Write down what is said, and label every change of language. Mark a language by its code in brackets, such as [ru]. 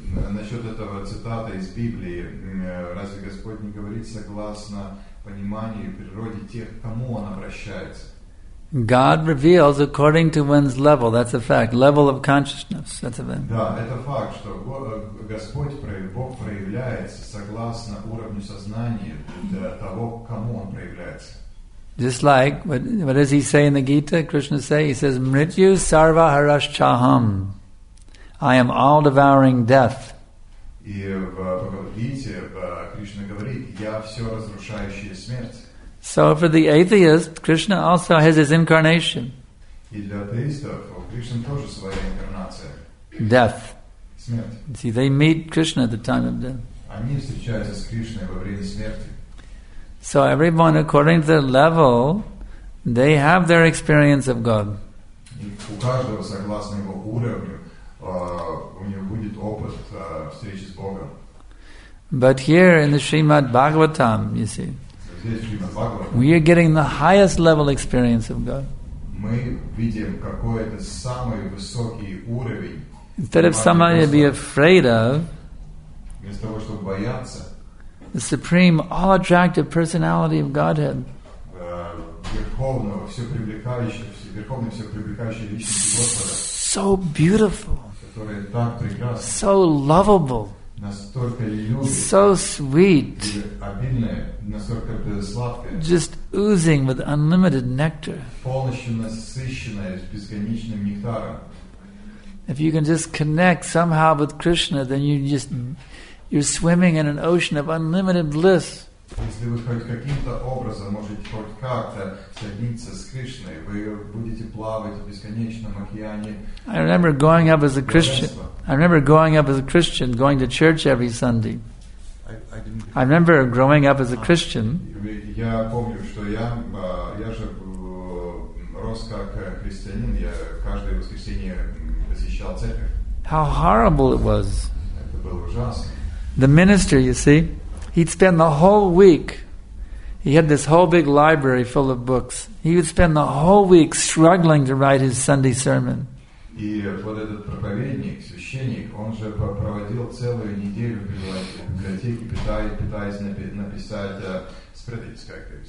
[ru] Насчет этого цитата из Библии, разве Господь не говорит согласно пониманию и природе тех, к кому Он обращается? [en] God reveals according to one's level. That's a fact. Level of consciousness. That's a fact. [ru] Да, это факт, что Господь, Бог проявляется согласно уровню сознания того, к кому Он проявляется. [en] Just like, what does He say in the Gita? Krishna say, He says, [sa] Mrityu sarva harashchaham. [en] I am all-devouring death. [ru] И в Бхагавад-гите Кришна говорит, я все разрушающая смерть. [en] So for the atheist, Krishna also has his incarnation. [ru] И для атеистов Кришна тоже своя инкарнация. [en] Death. [ru] Смерть. [en] See, they meet Krishna at the time of death. [ru] Они встречаются с Кришной во время смерти. [en] So everyone, according to their level, they have their experience of God. [ru] И у каждого, согласно его уровню, у него будет опыт встречи с Богом. [en] But here in the Srimad Bhagavatam, you see, we are getting the highest level experience of God. [ru] Мы видим какой-то самый высокий уровень. [en] Instead of somebody to be afraid of, [ru] вместо того, чтобы бояться, [en] the supreme, all-attractive personality of Godhead. [ru] Верховный, все привлекающий личность Господа. [en] So beautiful. [ru] Который так прекрасен. [en] So lovable. [ru] Настолько любит, [en] so sweet, [ru] обильное, настолько сладкое, [en] just oozing with unlimited nectar. [ru] Полностью насыщенное безграничным нектаром. [en] If you can just connect somehow with Krishna, then you're swimming in an ocean of unlimited bliss. [ru] Если вы хоть каким-то образом можете хоть как-то соединиться с Кришной, вы будете плавать в бесконечном океане. [en] I remember going up as a Christian. I remember growing up as a Christian, going to church every Sunday. I remember growing up as a Christian. [ru] Я помню, что я, я же вопрос, как христианин, я каждое воскресенье посещал церковь. [en] How horrible it was. [ru] Это было ужасно. [en] The minister, you see, he'd spend the whole week. He had this whole big library full of books. He would spend the whole week struggling to write his Sunday sermon. [ru] И вот этот проповедник, священник, он же проводил целую неделю в библиотеке, пытаясь написать проповедь, как